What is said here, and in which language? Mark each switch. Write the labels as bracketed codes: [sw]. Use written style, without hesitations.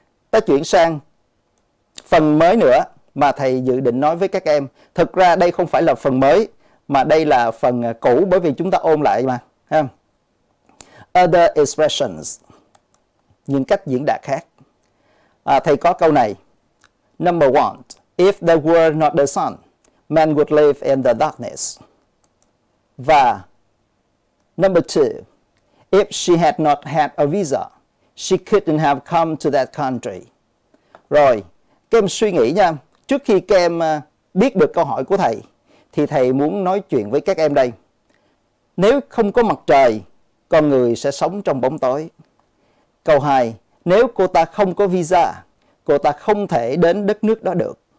[vi] Ta chuyển sang phần mới nữa mà thầy dự định nói với các em. Thực ra đây không phải là phần mới, mà đây là phần cũ, bởi vì chúng ta ôn lại mà. [en] Other expressions, [vi] những cách diễn đạt khác. Thầy có câu này. [en] Number one, if there were not the sun, man would live in the darkness. Và number two, if she had not had a visa, she couldn't have come to that country. [vi] Rồi, các em suy nghĩ nha. Trước khi các em biết được câu hỏi của thầy, thì thầy muốn nói chuyện với các em đây. Nếu không có mặt trời, con người sẽ sống trong bóng tối. Câu 2, nếu cô ta không có visa, cô ta không thể đến đất nước đó được.